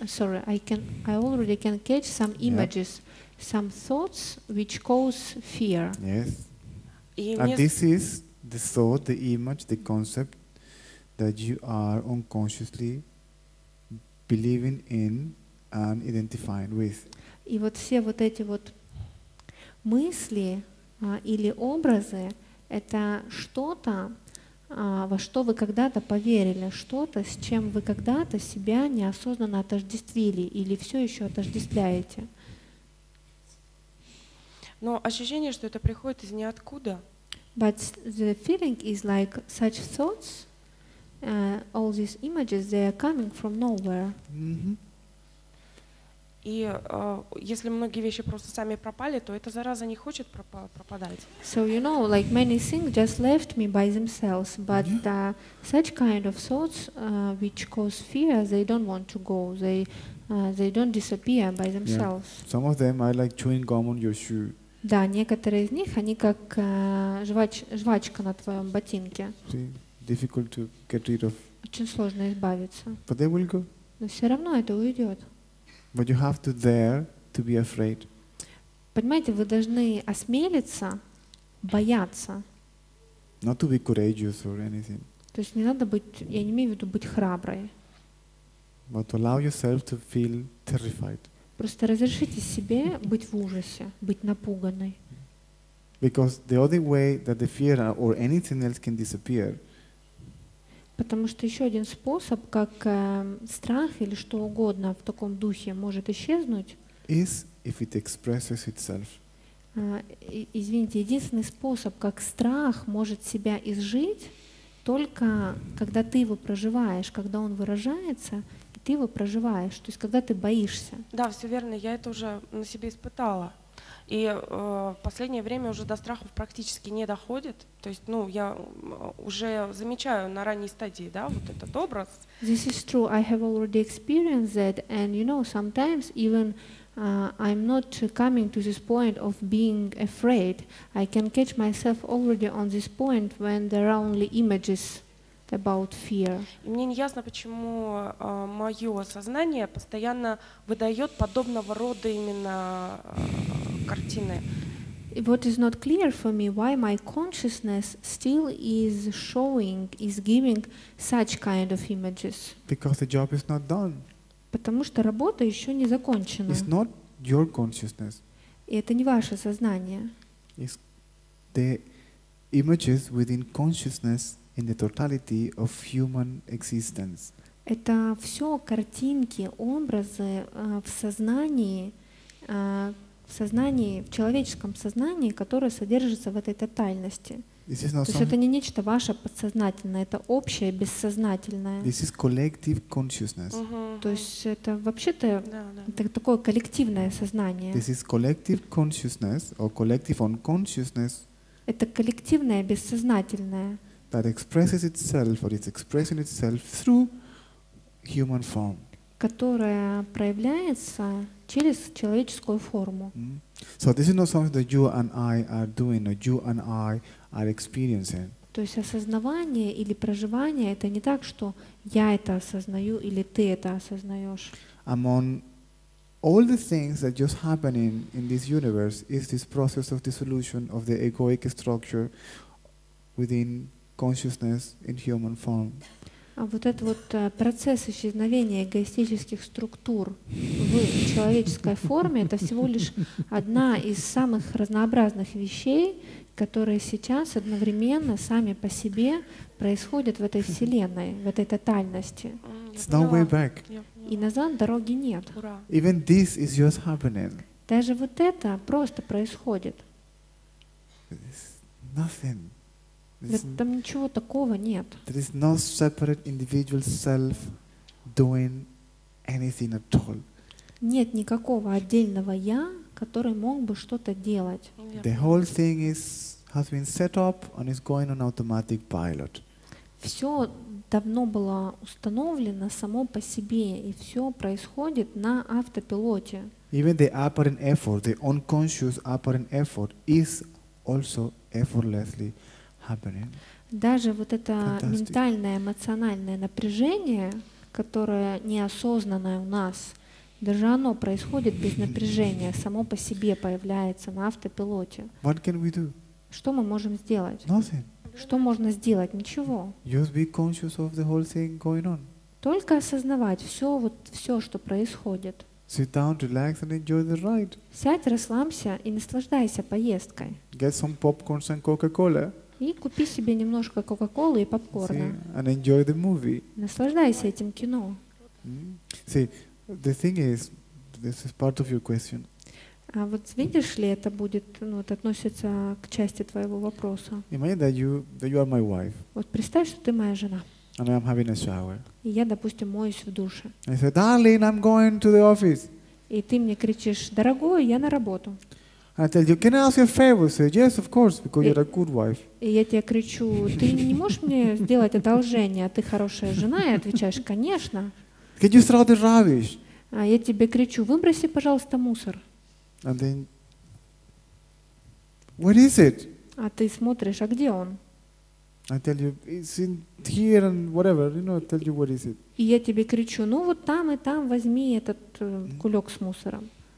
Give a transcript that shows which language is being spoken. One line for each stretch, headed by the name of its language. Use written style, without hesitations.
English: Sorry, I already can catch some images, yep. some thoughts which cause fear. Yes. And this is the thought, the image, the concept that you are unconsciously believing in and identifying with.
Russian: И вот все вот эти вот мысли или образы — это что-то, во что вы когда-то поверили, что-то, с чем вы когда-то себя неосознанно отождествили или все еще отождествляете. Но ощущение, что это приходит из ниоткуда.
English: But the feeling is like such thoughts, all these images, they are coming from nowhere.
Russian: И если многие вещи просто сами пропали, то эта зараза не хочет пропадать.
English: So you know, like many things just left me by themselves, but such kind of thoughts, which cause fear, they don't want to go. They don't disappear by themselves. Yeah. Some of them are like chewing gum on your shoe.
Russian: Да, некоторые из них, они как жвачка на твоем ботинке.
English: Difficult to get rid of.
Russian: Очень сложно избавиться.
English: But they will go.
Russian: Но все равно это уйдет.
English: But you have to dare to be afraid.
Russian: Понимаете, вы должны осмелиться, бояться.
English: Not to be courageous or anything.
Russian: То есть не надо быть, я не имею в виду быть храброй.
English: But allow yourself to feel terrified.
Russian: Просто разрешите себе быть в ужасе, быть напуганной.
English: Because the only way that the fear or anything else can disappear.
Russian: Потому что еще один способ, как страх или что угодно в таком духе может исчезнуть.
English: Is if it expresses itself.
Russian: Извините, единственный способ, как страх может себя изжить, только когда ты его проживаешь, когда он выражается. Ты его проживаешь, то есть когда ты боишься. Да, все верно, я это уже на себе испытала. И в последнее время уже до страхов практически не доходит. То есть, ну, я уже замечаю на ранней стадии, да, вот этот образ.
English: This is true, I have already experienced that. And, you know, sometimes even I'm not coming to this point of being afraid. I can catch myself already on this point when there are only images. About fear.
Russian: И мне не ясно, почему мое сознание постоянно выдает подобного рода именно картины.
English: What is not clear for me, why my consciousness still is showing, is giving such kind of images? Because the job is not done.
Russian: Потому что работа еще не закончена.
English: It's not your consciousness.
Russian: И это не ваше сознание.
English: It's the images within consciousness. In the totality of human existence.
Russian: Это все картинки, образы в сознании, в человеческом сознании, которое содержится в этой тотальности.
English: This is not
Russian: То есть это не нечто ваше подсознательное, это общее бессознательное.
English: This is collective consciousness.
Russian: То есть это вообще-то это такое коллективное сознание.
English: This is collective consciousness or collective unconsciousness.
Russian: Это коллективное бессознательное.
English: That expresses itself, or it's expressing itself through human form.
Russian: Которая проявляется через человеческую форму.
English: So this is not something that you and I are doing, or you and I are experiencing.
Russian: То есть осознавание или проживание это не так, что я это осознаю или ты это осознаешь.
English: Among all the things that just happening in this universe is this process of dissolution of the egoic structure within. Consciousness in human form.
Russian: А вот это вот процесс исчезновения эгоистических структур в человеческой форме это всего лишь одна из самых разнообразных вещей, которые сейчас одновременно сами по себе происходят в этой вселенной, в этой тотальности.
English: It's no way back.
Russian: И назад дороги нет.
English: Even this is just happening.
Russian: Даже вот это просто происходит.
English: It's nothing.
Russian: Там ничего такого нет.
English: There is no separate individual self doing anything at all.
Russian: Нет никакого отдельного я, который мог бы что-то делать.
English: The whole thing has been set up and is going on automatic pilot.
Russian: Все давно было установлено само по себе и все происходит на автопилоте.
English: Even the apparent effort, the unconscious apparent effort, is also effortlessly happening.
Russian: Даже вот это Fantastic. Ментальное, эмоциональное напряжение, которое неосознанное у нас, даже оно происходит без напряжения, само по себе появляется на автопилоте.
English: What can we do?
Russian: Что мы можем сделать?
English: Nothing.
Russian: Что можно сделать? Ничего.
English: Just be conscious of the whole thing going on.
Russian: Только осознавать все, вот, все, что происходит.
English: Sit down, relax and enjoy the ride.
Russian: Сядь, расслабься и наслаждайся поездкой.
English: Get some popcorn and Coca-Cola.
Russian: И купи себе немножко кока-колы и попкорна.
English: See, and enjoy the movie.
Russian: Наслаждайся этим кино.
English: See, the thing is, this is part of your question.
Russian: А вот видишь ли, это будет, ну, это относится к части твоего вопроса.
English: Imagine that you are my wife.
Russian: Вот представь, что ты моя жена.
English: And I'm having a shower.
Russian: И я, допустим, моюсь в душе.
English: I say, darling, I'm going to the office.
Russian: И ты мне кричишь, дорогой, я на работу.
English: I tell you, can I ask you a favor? Say, yes, of course, because you're a good wife.
Russian: И я тебе кричу, ты не можешь мне сделать одолжение, а ты хорошая жена, и отвечаешь, конечно.
English: Can you throw the rubbish?
Russian: А я тебе кричу, выброси, пожалуйста, мусор.
English: And then, what is it?
Russian: А ты смотришь, а где он?
English: I tell you, it's in here and whatever, you know, I tell you what is it.
Russian: И я тебе кричу, ну вот там и там возьми этот кулек с мусором.